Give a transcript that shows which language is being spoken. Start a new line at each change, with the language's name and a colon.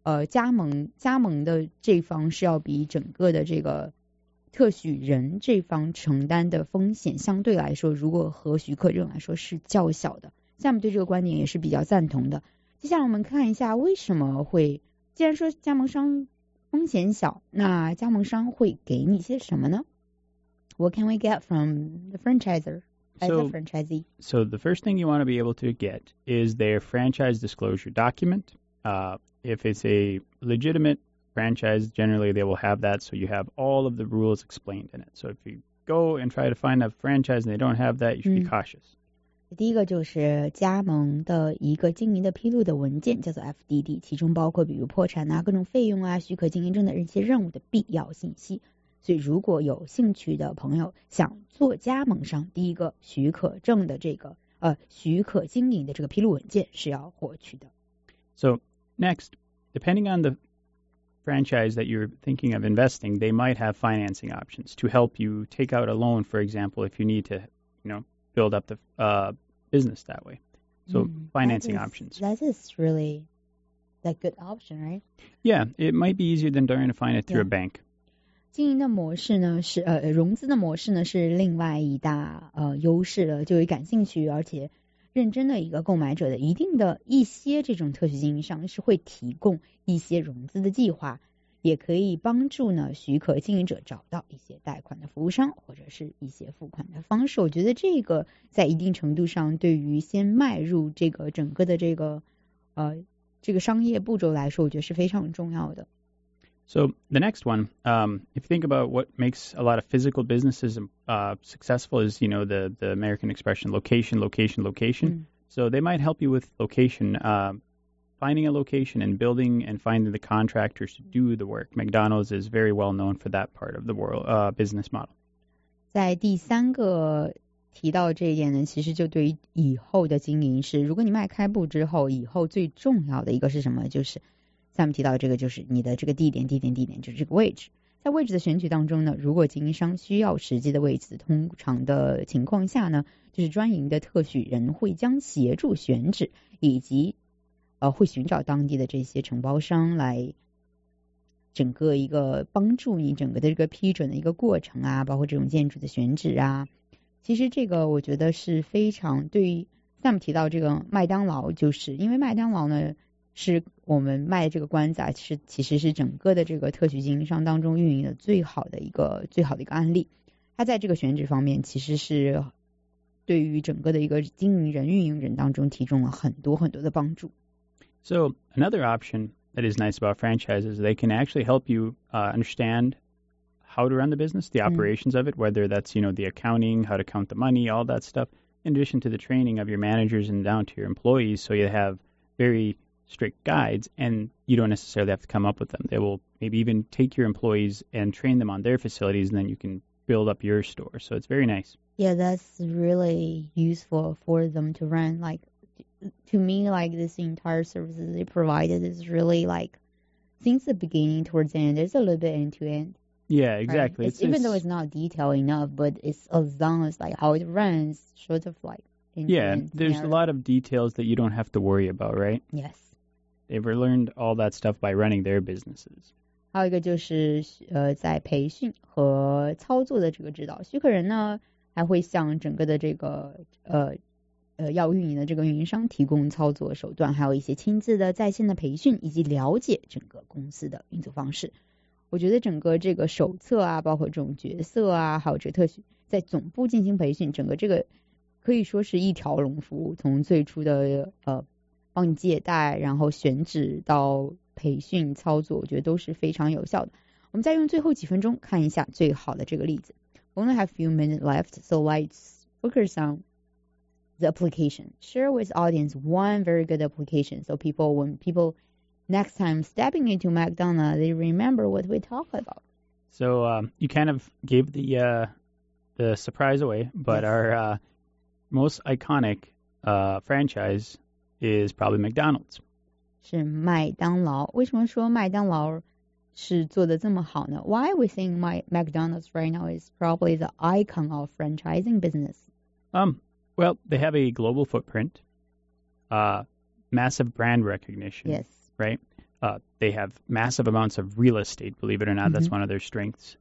Chinese: 加盟的这方是要比整个的这个特许人这方承担的风险相对来说如果和许可证来说是较小的。下面对这个观点也是比较赞同的。接下来我们看一下为什么会既然说加盟商风险小，那加盟商会给你些什么呢？
English: What can we get from the franchisor as a franchisee? So the first thing you want to be able to get is their franchise disclosure document. If it's a legitimate franchise, generally they will have that, so you have all of the rules explained in it. So if you go and try to find a franchise and they don't have that, you should be cautious.
Chinese: 第一个就是加盟的一个经营的披露的文件叫做 FDD， 其中包括比如破产啊、各种费用啊、许可经营证的一些任务的必要信息。所以如果有兴趣的朋友想做加盟商，第一个许可证的这个许可经营的这个披露文件是要获取的。
English: So next, depending on the franchise that you're thinking of investing, they might have financing options to help you take out a loan, for example, if you need to, you know,build up the business that way. So financing options. That is really a good option, right? Yeah, it might be easier than trying to find it through a bank.
Chinese: 经营的模式呢是融资的模式呢是另外一大优势了，就有感兴趣而且认真的一个购买者的一定的一些这种特许经营商是会提供一些融资的计划，也可以帮助呢许可经营者找到一些贷款的服务商或者是一些付款的方式。我觉得这个在一定程度上对于先迈入这个整个的这个商业步骤来说，我觉得是非常重要的。
English: So the next one, if you think about what makes a lot of physical businesses successful is, you know, the American expression location, location, location. So they might help you with location. Finding a location and building and finding the contractors to do the work. McDonald's is very well known for that part of the world, business model.
Chinese: 在第三个提到这一点呢，其实就对于以后的经营是，如果你迈开步之后，以后最重要的一个是什么？就是 Sam 提到这个，就是你的这个地点，就是这个位置。在位置的选举当中呢，如果经营商需要实际的位置，通常的情况下呢，就是专营的特许人会将协助选址，以及会寻找当地的这些承包商来整个一个帮助你整个的这个批准的一个过程啊，包括这种建筑的选址啊。其实这个我觉得是非常，对于 Sam 提到这个麦当劳，就是因为麦当劳呢是我们卖这个关子啊，其实是整个的这个特许经营商当中运营的最好的一个案例。它在这个选址方面其实是对于整个的一个经营人运营人当中提供了很多很多的帮助。
English: So another option that is nice about franchises, they can actually help you understand how to run the business, the operations of it, whether that's, you know, the accounting, how to count the money, all that stuff, in addition to the training of your managers and down to your employees, so you have very strict guides and you don't necessarily have to come up with them. They will maybe even take your employees and train them on their facilities and then you can build up your store. So it's very nice. Yeah, that's really useful for them to run, like,To me, like, this entire service they provided is really, like, since the beginning towards the end, it's a little bit end-to-end. Yeah, exactly. Right? Even though it's not detailed enough, but it's as long as, like, how it runs, sort of, like, end-to-end. Yeah, there's a lot of details that you don't have to worry about, right? Yes. They've learned all that stuff by running their businesses.
Chinese: 还有一个就是在培训和操作的这个指导。许可人呢还会向整个的这个要运营的这个运营商提供操作手段，还有一些亲自的在线的培训，以及了解整个公司的运作方式。我觉得整个这个手册啊，包括这种角色啊，还有这特许在总部进行培训，整个这个可以说是一条龙服务，从最初的帮你借贷，然后选址到培训操作，我觉得都是非常有效的。我们再用最后几分钟看一下最好的这个例子。
English: We only have few minutes left, so let's focus on. The application. Share with audience one very good application so when people next time stepping into McDonald's, they remember what we talk about. So you kind of gave the surprise away, but yes. Our most iconic franchise is probably McDonald's.
Chinese: 是麦当劳。为什么说麦当劳是做得这么好呢？
English: Why we think McDonald's right now is probably the icon of franchising business? Well, they have a global footprint, massive brand recognition. Yes. Right? They have massive amounts of real estate, believe it or not. Mm-hmm. That's one of their strengths.